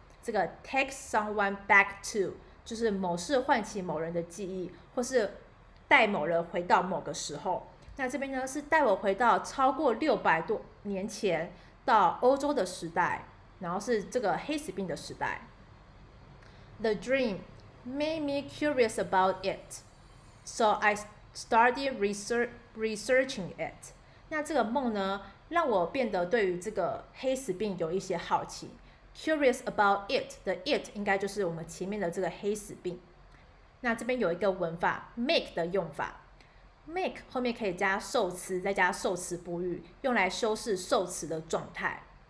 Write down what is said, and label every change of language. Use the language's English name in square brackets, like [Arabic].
[Chinese] 这个 [English] take someone back to [Chinese] 就是某事唤起某人的记忆，或是带某人回到某个时候。那这边呢，是带我回到超过600多年前到欧洲的时代，然后是这个黑死病的时代。 [English] The dream made me curious about it, so I started researching it. [Chinese] 那这个梦呢，让我变得对于这个黑死病有一些好奇。 [English] Curious about it [Chinese] 的 it 应该就是我们前面的这个黑死病。那这边有一个文法 make 的用法， make 后面可以加受词再加受词补语，用来修饰受词的状态。